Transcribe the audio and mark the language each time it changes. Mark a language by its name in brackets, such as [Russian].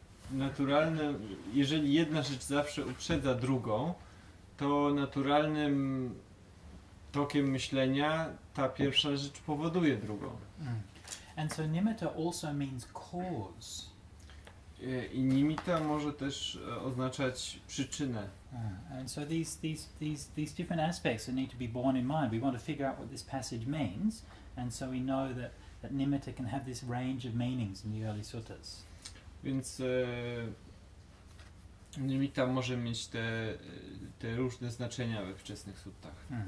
[Polish] Naturalne, jeżeli jedna rzecz zawsze uprzedza drugą, to naturalnym tokiem myślenia ta pierwsza rzecz powoduje drugą. [English] And so nimitta also means cause. [Polish] I nimitta może też oznaczać przyczynę. [English] And so these different aspects that need to be borne in mind. We want to figure out what this passage means, and so we know that that nimitta can have this range of meanings in the early suttas. [Polish] Więc nimitta może mieć te różne znaczenia we wczesnych suttach.